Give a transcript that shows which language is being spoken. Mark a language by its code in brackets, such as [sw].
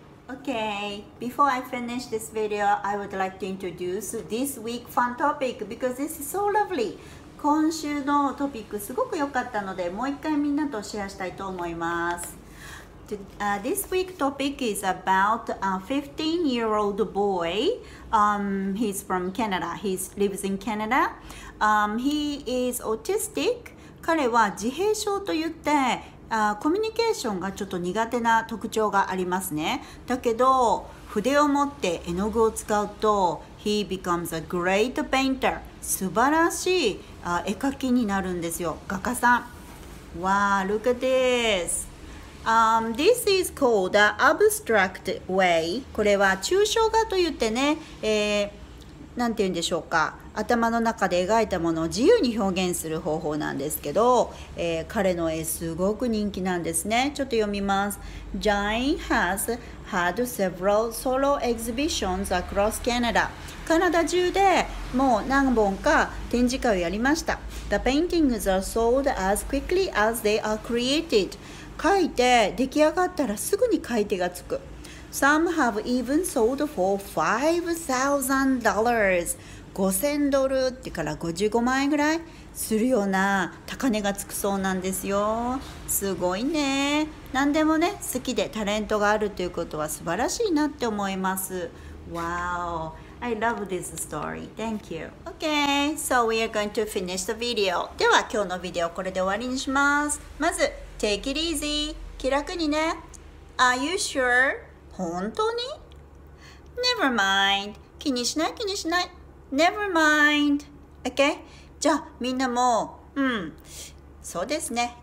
[en] Okay, before I finish this video, I would like to introduce this week's fun topic because this is so lovely. [ja] 今週のトピックすごく良かったので、もう一回みんなとシェアしたいと思います。 [en] This week's topic is about a 15-year-old boy. He's from Canada. He lives in Canada. He is autistic. [ja] 彼は自閉症と言って、コミュニケーションがちょっと苦手な特徴がありますね。だけど筆を持って絵の具を使うと [en] He becomes a great painter. [ja] 素晴らしい絵描きになるんですよ、画家さん。 [en] Wow, look at this. This is called an abstract way. [ja] これは抽象画と言ってね、なんて言うんでしょうか、頭の中で描いたものを自由に表現する方法なんですけど、彼の絵すごく人気なんですね。ちょっと読みます。 [en] Jane has had several solo exhibitions across Canada. [ja] カナダ中でもう何本か展示会をやりました。 [en] The paintings are sold as quickly as they are created. [ja] 描いて出来上がったらすぐに買い手がつく。 [en] Some have even sold for $5,000. [ja] 5000ドルってから55万円ぐらいするような高値がつくそうなんですよ。すごいね。何でもね、好きでタレントがあるということは素晴らしいなって思います。 [en] Wow, I love this story. Thank you. Okay, so we are going to finish the video. [ja] では今日のビデオこれで終わりにします。まず [en] Take it easy. [ja] 気楽にね。 [en] Are you sure? [ja] 本当に？ [en] Never mind. [ja] 気にしない気にしない。 [en] Never mind. Okay? [ja] じゃあみんなも、そうですね。